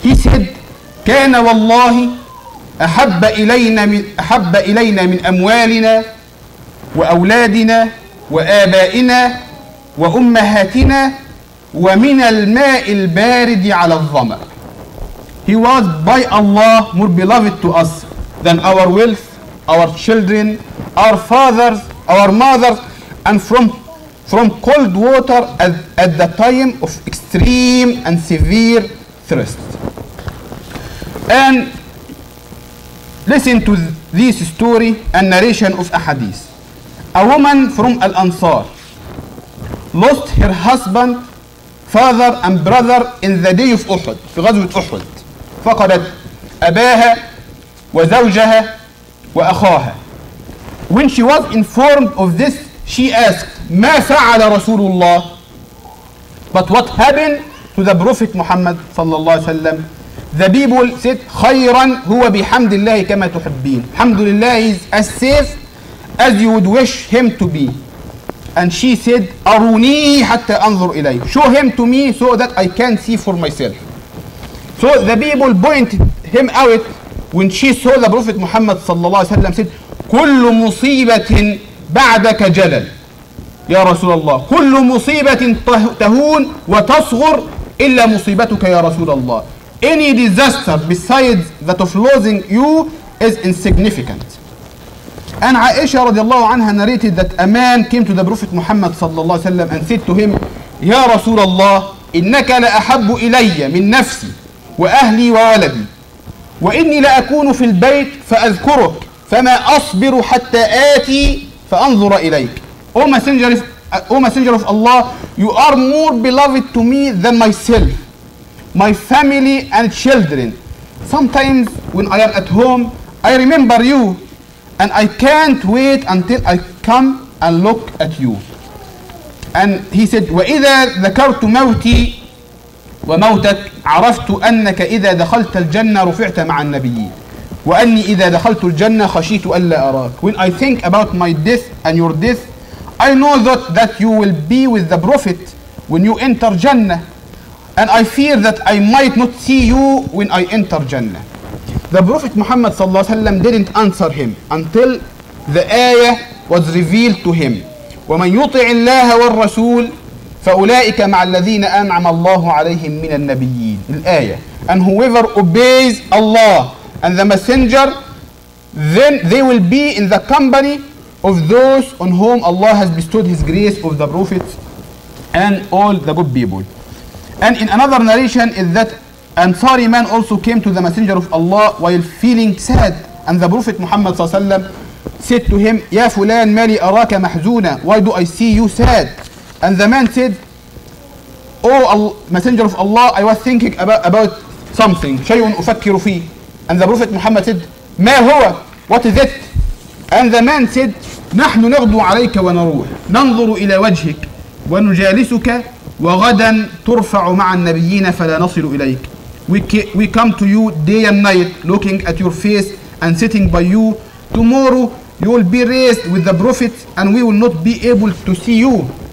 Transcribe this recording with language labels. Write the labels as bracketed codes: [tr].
[en] He said, [ar] كان والله أحب إلينا من أموالنا وأولادنا وآبائنا وأمهاتنا ومن الماء البارد على الظمأ. [en] He was by Allah more beloved to us than our wealth, our children, our fathers, our mothers, and from cold water at the time of extreme and severe thirst. And listen to this story and narration of a hadith. A woman from Al-Ansar lost her husband, father and brother in the day of Uhud, [ar] في غزوة أحد. فقدت أباها وزوجها وأخاها. [en] When she was informed of this, she asked, [ar] ما فعل رسول الله? [en] But what happened to the Prophet Muhammad صلى الله عليه وسلم? The people said, [ar] خيرا هو بحمد الله كما تحبين. [en] حمد الله is as safe as you would wish him to be. And she said, [ar] أروني حتى أنظر إليه. [en] Show him to me so that I can see for myself. So the people pointed him out. When she saw the Prophet Muhammad صلى الله عليه وسلم, said, [ar] كل مصيبة بعدك جلل يا رسول الله, كل مصيبة تهون وتصغر إلا مصيبتك يا رسول الله. [en] Any disaster besides that of losing you is insignificant. And Aisha رضي الله عنها narrated that a man came to the Prophet Muhammad صلى الله عليه وسلم and said to him, [ar] يا رسول الله, إنك لأحب إلي من نفسي وأهلي وولدي, وإني لأكون في البيت فأذكرك فما أصبر حتى آتي فأنظر إليك. [en] O messenger of Allah, you are more beloved to me than myself, my family and children. Sometimes when I am at home, I remember you and I can't wait until I come and look at you. And he said, [ar] وإذا ذكرت موتي وموتك عرفت أنك إذا دخلت الجنة رفعت مع النبيين وأني إذا دخلت الجنة خشيت ألا أراك. [en] When I think about my death and your death, I know that you will be with the Prophet when you enter Jannah, and I fear that I might not see you when I enter Jannah. The Prophet Muhammad صلى الله عليه وسلم didn't answer him until the ayah was revealed to him, [ar] ومن يطع الله والرسول فأولئك مع الذين أنعم الله عليهم من النبيين. الآية. [en] And whoever obeys Allah and the messenger, then they will be in the company of those on whom Allah has bestowed his grace of the prophets and all the good people. And in another narration is that Ansari man also came to the messenger of Allah while feeling sad, and the Prophet Muhammad صلى الله عليه وسلم said to him, [ar] يا فلان ما لي أراك محزونة, [en] why do I see you sad? And the man said, messenger of Allah, I was thinking about something, [ar] شيء أفكر فيه. [en] And the Prophet Muhammad said, [ar] ما هو? [en] What is it? And the man said, [ar] نحن نغدو عليك ونروح, ننظر إلى وجهك ونجالسك, وغدا ترفع مع النبيين فلا نصل إليك. [en] We come to you day and night, looking at your face and sitting by you. Tomorrow you will be raised with the Prophet, and we will not be able to see you.